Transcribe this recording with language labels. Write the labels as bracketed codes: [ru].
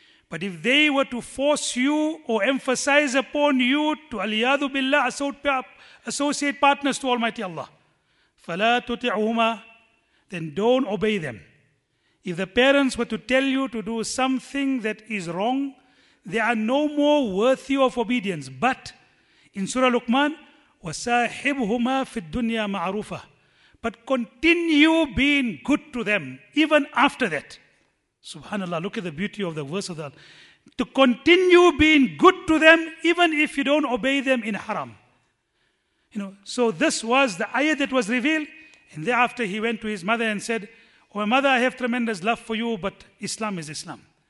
[en] But if they were to force you or emphasize upon you to aliyadu billah, associate partners to Almighty Allah, [ar] فَلَا تُطِعُهُمَا, [en] then don't obey them. If the parents were to tell you to do something that is wrong, they are no more worthy of obedience. But in Surah Luqman, [ar] وساحبهما في الدنيا معروفة. [en] But continue being good to them even after that. Subhanallah, look at the beauty of the verse of that. To continue being good to them even if you don't obey them in haram. You know, so this was the ayah that was revealed. And thereafter he went to his mother and said, "Oh, mother, I have tremendous love for you, but Islam is Islam.